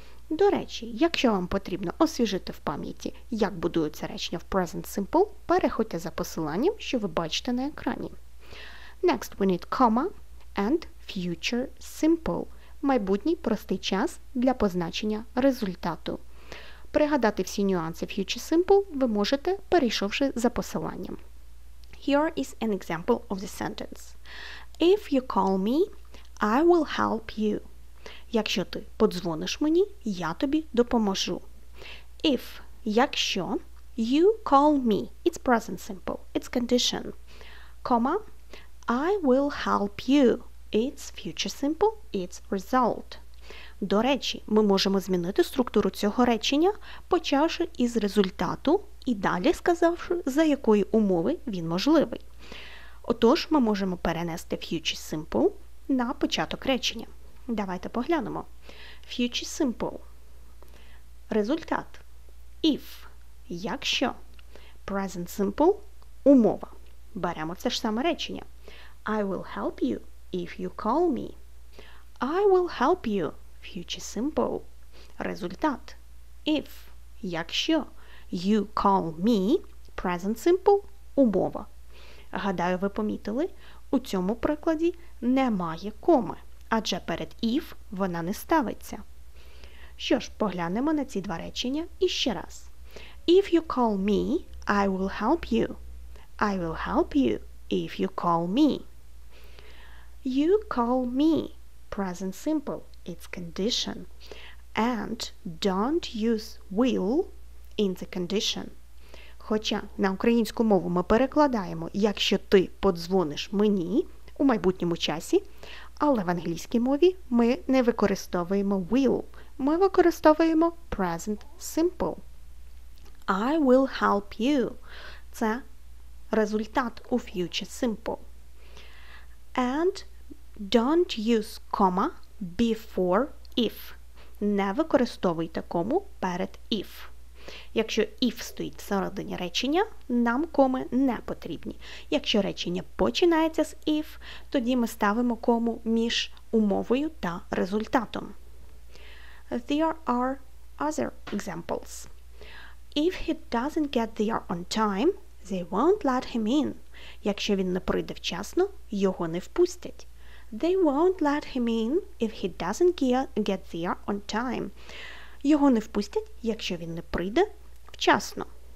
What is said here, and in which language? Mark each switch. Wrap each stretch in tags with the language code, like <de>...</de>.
<uk>До речі, якщо вам потрібно освіжити в пам'яті, як будуються речення в present simple, переходьте за посиланням, що ви бачите на екрані.</uk> <en>Next we need comma and future simple –</en> <uk>майбутній простий час для позначення результату. Пригадати всі нюанси future simple ви можете, перейшовши за посиланням.</uk> <en>Here is an example of the sentence. If you call me, I will help you.</en> <uk>Якщо ти подзвониш мені, я тобі допоможу.</uk> <en>If, якщо, you call me, it's present simple, it's condition, comma, I will help you, it's future simple, it's result.</en> <uk>До речі, ми можемо змінити структуру цього речення, почавши із результату і далі сказавши, за якої умови він можливий. Отож, ми можемо перенести future simple на початок речення. Давайте поглянемо.</uk> <en>Future simple.</en> <uk>Результат.</uk> <en>If.</en> <uk>Якщо.</uk> <en>Present simple.</en> <uk>Умова. Беремо це ж саме речення.</uk> <en>I will help you if you call me. I will help you. Future simple. Результат. If. Якщо. You call me. Present simple. Умова.</en> <uk>Гадаю, ви помітили, у цьому прикладі немає коми. Адже перед if вона не ставиться. Що ж, поглянемо на ці два речення іще раз.</uk> <en>If you call me, I will help you. I will help you if you call me. You call me. Present simple. It's condition. And don't use will in the condition.</en> <uk>Хоча на українську мову ми перекладаємо «якщо ти подзвониш мені» у майбутньому часі, але в англійській мові ми не використовуємо will, ми використовуємо present simple.</uk> <en>I will help you.</en> <uk>Це результат у future simple.</uk> <en>And don't use comma before if.</en> <uk>Не використовуйте кому перед if. Якщо if стоїть всередині речення, нам коми не потрібні. Якщо речення починається з if, тоді ми ставимо кому між умовою та результатом.</uk> <en>There are other examples. If he doesn't get there on time, they won't let him in.</en> <uk>Якщо він не прийде вчасно, його не впустять.</uk> <en>They won't let him in if he doesn't get there on time.</en> <uk>Його не впустять, якщо він не прийде вчасно.</uk>